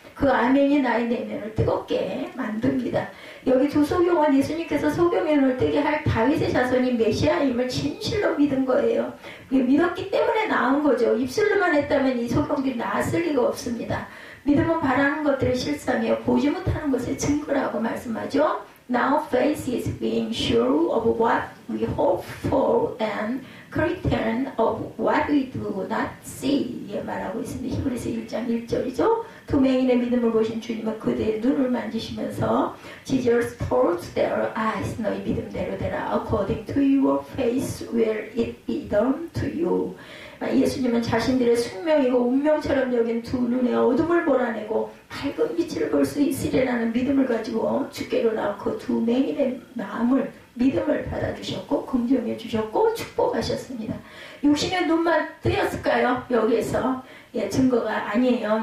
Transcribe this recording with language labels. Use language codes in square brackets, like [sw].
[ko] 그 아멘이 나의 내면을 뜨겁게 만듭니다. 여기 두 소경은 예수님께서 소경의 눈을 뜨게 할 다윗의 자손이 메시아임을 진실로 믿은 거예요. 믿었기 때문에 나온 거죠. 입술로만 했다면 이 소경들이 나왔을 리가 없습니다. 믿음은 바라는 것들의 실상이요 보지 못하는 것의 증거라고 말씀하죠. [en] Now faith is being sure of what we hope for and certain of what we do not see. [ko] 예, 말하고 있습니다. 히브리서 1장 1절이죠. 두 맹인의 믿음을 보신 주님은 그들의 눈을 만지시면서 [en] Jesus told their eyes, [ko] 너희 믿음대로 되라. [en] According to your faith will it be done to you. [ko] 예수님은 자신들의 숙명이고 운명처럼 여긴 두 눈의 어둠을 몰아내고 밝은 빛을 볼 수 있으리라는 믿음을 가지고 주께로 나온 그 두 맹인의 마음을 믿음을 받아주셨고 긍정해 주셨고 축복하셨습니다. 육신의 눈만 뜨였을까요? 여기에서 예, 증거가 아니에요.